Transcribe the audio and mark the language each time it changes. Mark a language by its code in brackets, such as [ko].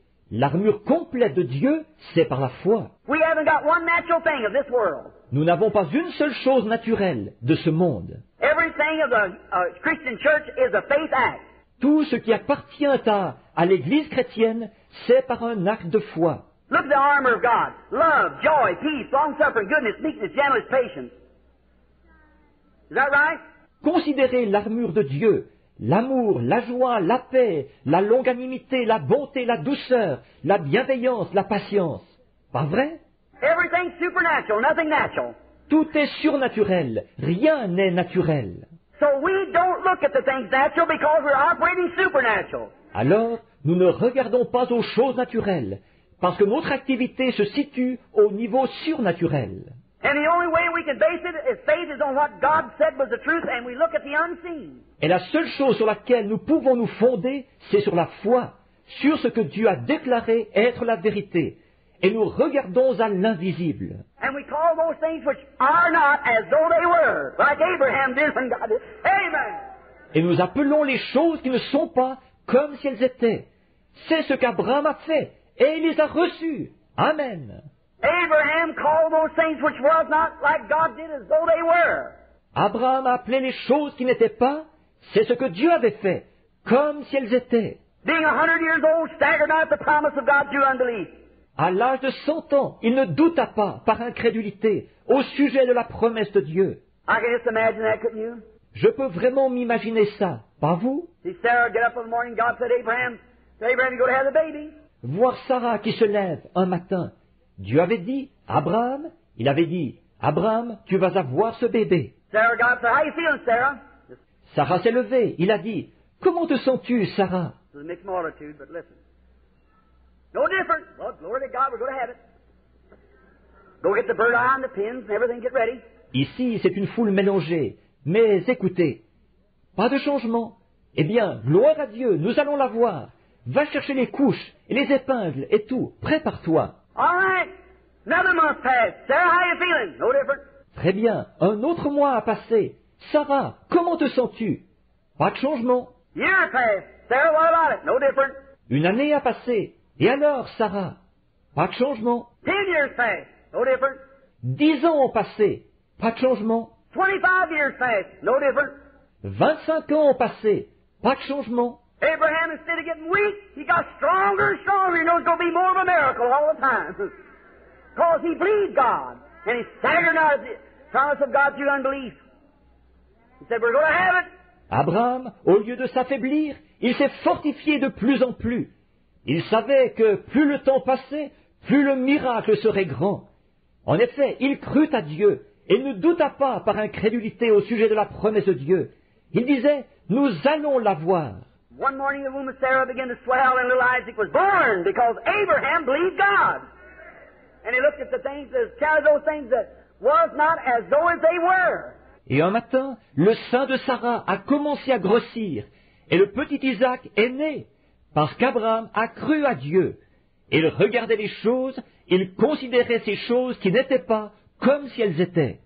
[fr] L'armure complète de Dieu, c'est par la foi. [en] We haven't got one natural thing of this world. [fr] Nous n'avons pas une seule chose naturelle de ce monde. [en] Everything of the Christian church is a faith act. [fr] Tout ce qui appartient à l'Église chrétienne, c'est par un acte de foi. [en] Look at the armor of God. Love, joy, peace, long-suffering, goodness, meekness, gentleness, patience. Is that right? [fr] Considérez l'armure de Dieu. L'amour, la joie, la paix, la longanimité, la bonté, la douceur, la bienveillance, la patience. Pas vrai? [en] Everything supernatural, nothing natural. [fr] Tout est surnaturel, rien n'est naturel. [en] So we don't look at the things natural because we're operating supernatural. [fr] Alors, nous ne regardons pas aux choses naturelles, parce que notre activité se situe au niveau surnaturel. [en] And the only way we can base it is faith is on what God said was the truth and we look at the unseen. [fr] Et la seule chose sur laquelle nous pouvons nous fonder, c'est sur la foi, sur ce que Dieu a déclaré être la vérité. Et nous regardons à l'invisible. [en] And we call those things which are not as though they were, like Abraham did when God did. Amen. [fr] Et nous appelons les choses qui ne sont pas comme si elles étaient. C'est ce qu'Abraham a fait et il les a reçues. Amen. [en] Abraham called those things which were not like God did as though they were. [fr] Abraham a appelé les choses qui n'étaient pas, c'est ce que Dieu avait fait, comme si elles étaient. [en] Being 100 years old, staggered not the promise of God due unbelief. [fr] À l'âge de 100 ans, il ne douta pas par incrédulité au sujet de la promesse de Dieu. [en] I can just imagine that, couldn't you? [fr] Je peux vraiment m'imaginer ça, pas vous? [en] See Sarah get up in the morning, God said Abraham, you go to have the baby. [fr] Voir Sarah qui se lève un matin. Dieu avait dit, Abraham, il avait dit, Abraham, tu vas avoir ce bébé. [en] Sarah, God said, how you feeling, Sarah? [fr] Sarah s'est levée, il a dit, comment te sens-tu, Sarah? [en] It's a mixed multitude, but listen. No difference. Well, glory to God, we're going to have it. Go get the bird eye and the pins and everything, get ready. [fr] Ici, c'est une foule mélangée, mais écoutez, pas de changement. Eh bien, gloire à Dieu, nous allons la voir. Va chercher les couches et les épingles et tout, prépare-toi. [en] All right, another month passed. Sarah, how are you feeling? No different. [fr] Très bien, un autre mois a passé. Sarah, comment te sens-tu? Pas de changement. [en] Year passed. Sarah, what about it? No different. [fr] Une année a passé. Et alors, Sarah? Pas de changement. [en] 10 years passed. No different. [fr] 10 ans ont passé. Pas de changement. [en] 25 years passed. No different. [fr] 25 ans ont passé. Pas de changement. [en] Abraham, instead of getting weak, he got stronger and stronger. You know, it's going to be more of a miracle all the time. Because he believed God. And he staggered out of the promise of God through unbelief. He said, we're going to have it. [fr] Abraham, au lieu de s'affaiblir, il s'est fortifié de plus en plus. Il savait que plus le temps passait, plus le miracle serait grand. En effet, il crut à Dieu et ne douta pas par incrédulité au sujet de la promesse de Dieu. Il disait, nous allons la voir. [en] One morning the womb of Sarah began to swell and little Isaac was born because Abraham believed God. And he looked at the things as child those things that was not as though as they were. [fr] Et un matin, le sein de Sarah a commencé à grossir et le petit Isaac est né parce qu'Abraham a cru à Dieu. Il regardait les choses, il considérait ces choses qui n'étaient pas comme si elles étaient.